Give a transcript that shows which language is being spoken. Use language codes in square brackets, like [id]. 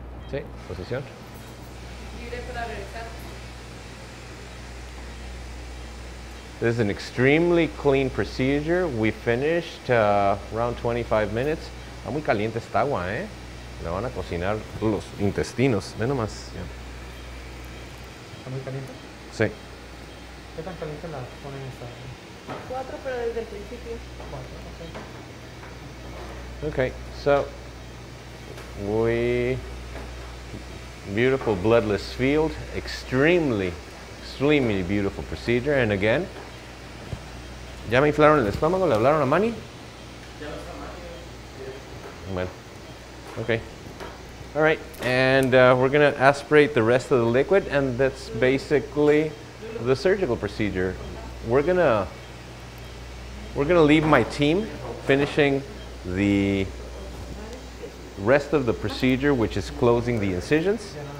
[es] Sí, posición. [en] This is an extremely clean procedure. We finished around 25 minutes. [es] Está muy caliente esta agua, ¿eh? Le van a cocinar los intestinos. Ve nomás. ¿Está muy caliente? Sí. ¿Qué tan caliente la ponen esta? 4, pero desde el principio. [en] 4, ok. Ok, so, we... Beautiful bloodless field. Extremely, extremely beautiful procedure. And again, [es] ¿ya me inflaron el estómago? ¿Le hablaron a Manny? Sí. [en] Okay. All right, and we're gonna aspirate the rest of the liquid, and that's basically the surgical procedure. We're gonna leave my team finishing the rest of the procedure, which is closing the incisions.